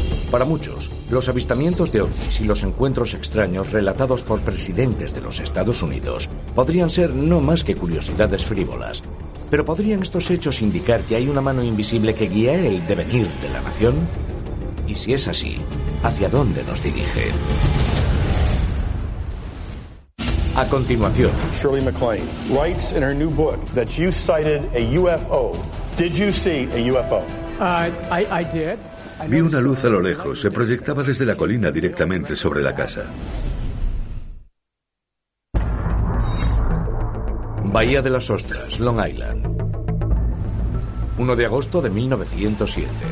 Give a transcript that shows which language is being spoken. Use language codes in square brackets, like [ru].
[es] Para muchos, los avistamientos de ovnis y los encuentros extraños relatados por presidentes de los Estados Unidos podrían ser no más que curiosidades frívolas. ¿Pero podrían estos hechos indicar que hay una mano invisible que guía el devenir de la nación? Y si es así, ¿hacia dónde nos dirige? A continuación, [en] Shirley MacLaine writes in her new book that you sighted a UFO. Did you see a UFO? I did. [es] Vi una luz a lo lejos. Se proyectaba desde la colina directamente sobre la casa. Bahía de las Ostras, Long Island. 1 de agosto de 1907.